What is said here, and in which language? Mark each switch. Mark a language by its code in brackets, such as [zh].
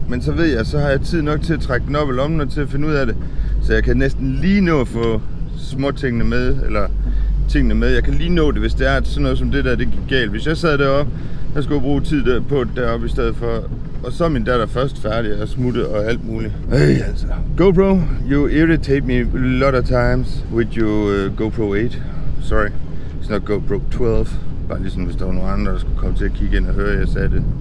[da] Men så ved jeg, så har jeg tid nok til at trække den op i lommen og til at finde ud af det. Så jeg kan næsten lige nå at få småtingene med, eller tingene med. Jeg kan lige nå det, hvis det er at sådan noget som det der, det gik galt. Hvis jeg sad deroppe, så skulle jeg bruge tid på deroppe i stedet for. Og så er min datter først færdig og smutte og alt muligt. Hey altså. [en] GoPro, you irritate me a lot of times with your GoPro 8. Sorry. It's not GoPro 12. [da] Bare ligesom hvis der var nogen andre, der skulle komme til at kigge ind og høre, jeg sagde det.